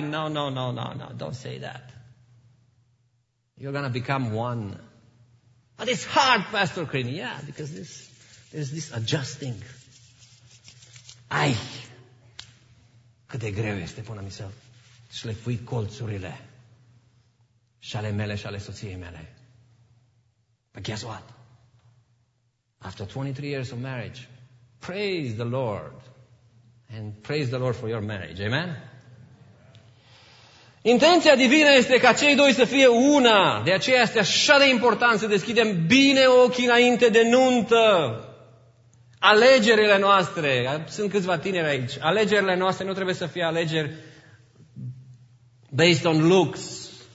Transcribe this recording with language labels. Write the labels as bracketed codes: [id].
[en] No, no, no, no, no, don't say that. You're going to become one. But it's hard, Pastor Crini. Yeah, because there's this adjusting. Ai! [ro] Cât de greu este până mi s-au șlefuit colțurile și ale mele și ale soției mele. [en] But guess what? After 23 years of marriage, praise the Lord. And praise the Lord for your marriage. Amen? [ro] Intenția divină este ca cei doi să fie una. De aceea este așa de important să deschidem bine ochii înainte de nuntă. Alegerile noastre, sunt câțiva tineri aici, alegerile noastre nu trebuie să fie alegeri [en] based on looks.